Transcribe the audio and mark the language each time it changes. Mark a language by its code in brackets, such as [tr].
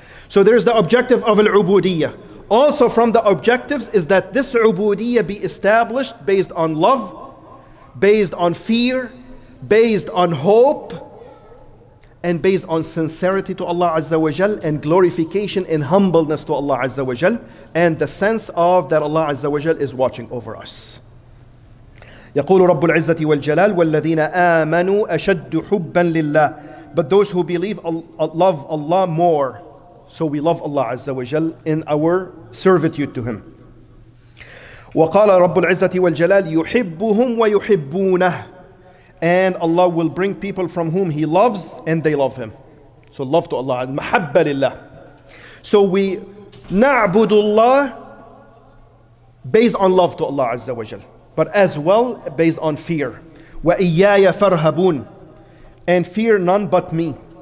[en] So there's the objective of al-ubudiyyah. Also from the objectives is that this ubudiyyah be established based on love, based on fear, based on hope, and based on sincerity to Allah Azza wa Jal, and glorification and humbleness to Allah Azza wa Jal, and the sense of that Allah Azza wa Jal is watching over us. [ar] يقول رب العزة والجلال والذين آمنوا أشد حبا لله. [en] But those who believe love Allah more. So we love Allah Azza wa Jal in our servitude to Him. [ar] وقال رب العزة والجلال يحبهم ويحبونه. [en] And Allah will bring people from whom He loves and they love Him. So love to Allah, [ar] المحبة لله. [en] So we [ar] نعبد الله [en] based on love to Allah Azza wa Jal, but as well based on fear. [ar] وَإِيَّايَ فَرْهَبُونَ. [en] And fear none but me.